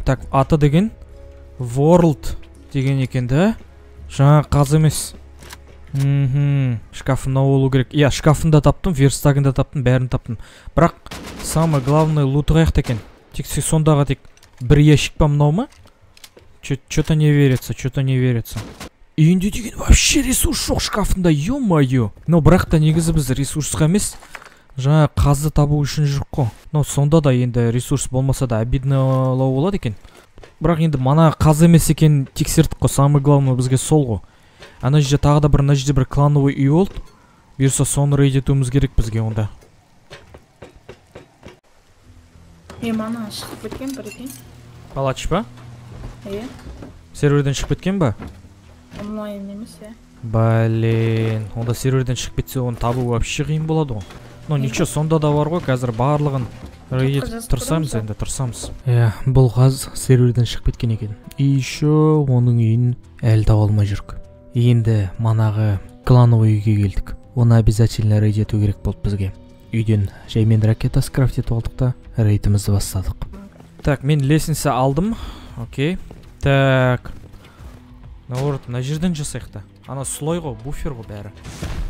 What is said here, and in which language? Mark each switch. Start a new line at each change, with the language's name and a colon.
Kazakh: Так, аты деген. World деген екен да. Жаңа қазы емес. Шкафында олу керек. Я шкафында таптым, верстагында таптым, бәрін таптым. Бірақ самый главный лутығайық декен. Тек сондағы тек бір ящик па мынау ма?
Russian: Чё-то не верится, чё-то не верится.
Kazakh: Үйінде деген вообще ресурс жоқ шкафында, ё-моё. Но бірақ та негізі біз ресурсқа емес. Жаңа қазды табу үшін жүрік қо. Но сонда да енді ресурс болмаса да обидналау олады екен. Бірақ енді мана қазы емес екен тексердік қо. Самый главный бізге сол қо. Ана жерде тағы да бір, мына жерде бір клановый үй болды. Бұйырса соны рейдетуіміз керек бізге онда. Мана шығып кеткен бірден. Палач па? Е? Серверден шығып кеткен ба? Онлайн емес, е. Блин, онда серверден шығып кетсе оны табу вообще қиын болады ғой.
Russian: Ну ничего,
Kazakh: сонда да бар ғой, қазір барлығын рейд тұрсамыз, енді тұрсамыз. Е, бұл қаз серверден шығып кеткен екен.
Russian: И еще
Kazakh: оның үйін әлі таба алмай жүрік. Енді манағы клановый үйге келдік. Оны обязательно рейд ету керек болды бізге. Үйден жаймен ракета скрафтетіп алдық та рейдімізді бастадық. Так, мен лестница алдым. Окей. Так. Наоборот, мына жерден жасайық та. Ана слой ғой, буфер ғой бәрі.